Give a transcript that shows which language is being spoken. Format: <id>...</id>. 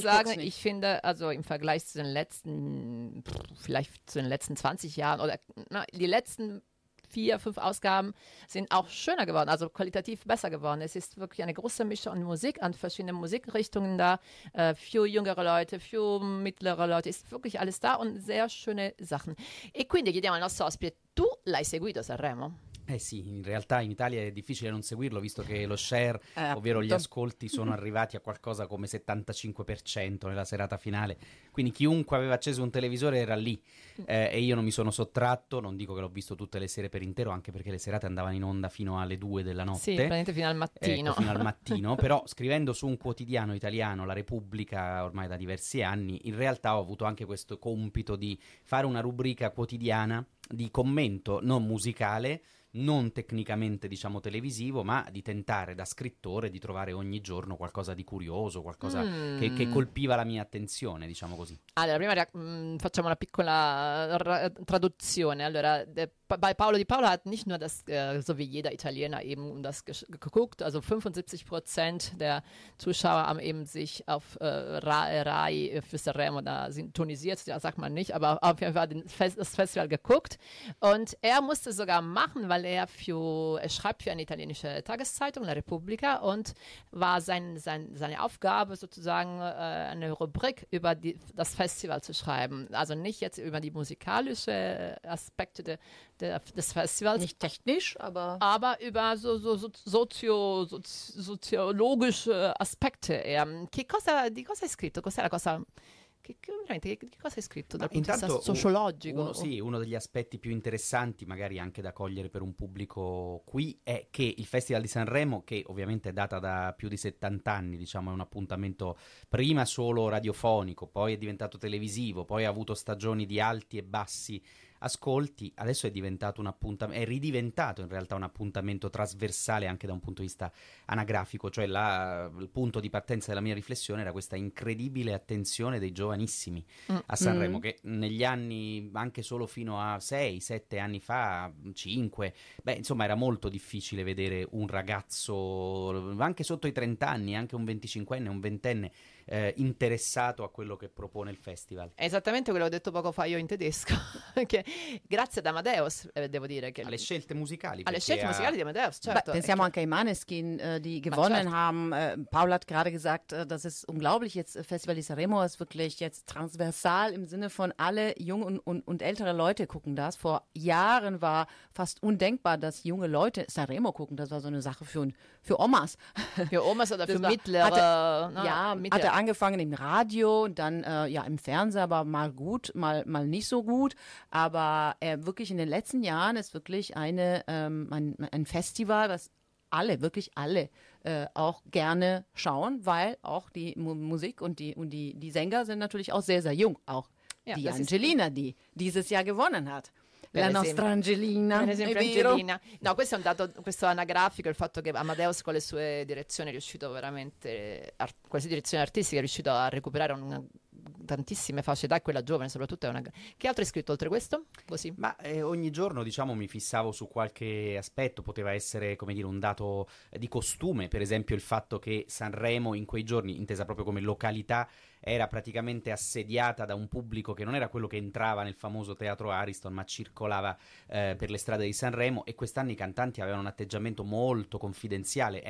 <de>auch sagen, ich finde, also im Vergleich zu den letzten, vielleicht zu den letzten 20 Jahren oder na, die letzten 4, 5 Ausgaben sind auch schöner geworden, also qualitativ besser geworden. Es ist wirklich eine große Mischung an Musik, an verschiedenen Musikrichtungen da. Für jüngere Leute, für mittlere Leute ist wirklich alles da und sehr schöne Sachen.</de> <it>E quindi chiediamo al nostro ospite, tu l'hai seguito Sanremo? Eh sì, in realtà in Italia è difficile non seguirlo, visto che lo share, ovvero gli ascolti, sono arrivati a qualcosa come 75% nella serata finale. Quindi chiunque aveva acceso un televisore era lì e io non mi sono sottratto, non dico che l'ho visto tutte le sere per intero, anche perché le serate andavano in onda fino alle 2 della notte. Sì, praticamente fino al mattino. Fino al mattino, però scrivendo su un quotidiano italiano, La Repubblica, ormai da diversi anni, in realtà ho avuto anche questo compito di fare una rubrica quotidiana di commento non musicale, non tecnicamente diciamo televisivo, ma di tentare da scrittore di trovare ogni giorno qualcosa di curioso, qualcosa che colpiva la mia attenzione, diciamo così. Allora, prima facciamo una piccola traduzione.</it> <de>Allora, bei Paolo Di Paolo hat nicht nur das, so wie jeder Italiener eben das geguckt, also 75% der Zuschauer haben eben sich auf Rai für Sanremo da sintonisiert, ja, sag mal nicht, aber auf jeden Fall das Festival geguckt. Und er musste sogar machen, weil er schreibt für eine italienische Tageszeitung, La Repubblica, und war seine Aufgabe sozusagen, eine Rubrik über das Festival zu schreiben. Also nicht jetzt über die musikalische Aspekte des Festivals. Nicht technisch, aber... Aber über soziologische Aspekte.</de> <it>Cosa hai scritto? Cos'è la cosa... Che cosa hai scritto dal punto di vista sociologico? Uno degli aspetti più interessanti, magari anche da cogliere per un pubblico qui, è che il Festival di Sanremo, che ovviamente è data da più di 70 anni, diciamo, è un appuntamento prima solo radiofonico, poi è diventato televisivo, poi ha avuto stagioni di alti e bassi ascolti, adesso è diventato un appuntamento, è ridiventato in realtà un appuntamento trasversale anche da un punto di vista anagrafico, cioè il punto di partenza della mia riflessione era questa incredibile attenzione dei giovanissimi a Sanremo, che negli anni, anche solo fino a 6-7 anni fa, 5, beh, insomma, era molto difficile vedere un ragazzo anche sotto i 30 anni, anche un 25enne, un 20enne interessato a quello che propone il festival. Esattamente quello che ho detto poco fa io in tedesco, che grazie ad Amadeus, devo dire che alle scelte musicali. Alle scelte musicali di Amadeus, certo. Beh, pensiamo anche ai Maneskin,</it> <de>die gewonnen haben. Paul hat gerade gesagt, das ist unglaublich. Jetzt Festival di Sanremo ist wirklich jetzt transversal im Sinne von alle jungen und ältere Leute gucken das. Vor Jahren war fast undenkbar, dass junge Leute Sanremo gucken. Das war so eine Sache für Omas. Für Omas oder für Mittlere. Hatte angefangen im Radio und dann im Fernsehen, aber mal gut, mal nicht so gut. Aber wirklich in den letzten Jahren ist wirklich ein Festival, was alle, wirklich alle auch gerne schauen, weil auch die Musik und die Sänger sind natürlich auch sehr, sehr jung. Auch die Angelina, die dieses Jahr gewonnen hat.</de> <it>La nostra Angelina. Per esempio, Angelina. No, questo è un dato, questo è anagrafico, il fatto che Amadeus con le sue direzioni è riuscito veramente, con le sue direzioni artistiche è riuscito a recuperare tantissime facce, da quella giovane soprattutto. Che altro hai scritto oltre questo? Così. Ma ogni giorno, diciamo, mi fissavo su qualche aspetto, poteva essere, come dire, un dato di costume, per esempio il fatto che Sanremo in quei giorni, intesa proprio come località, era praticamente assediata da un pubblico che non era quello che entrava nel famoso teatro Ariston, ma circolava per le strade di Sanremo, e quest'anno i cantanti avevano un atteggiamento molto confidenziale.</it>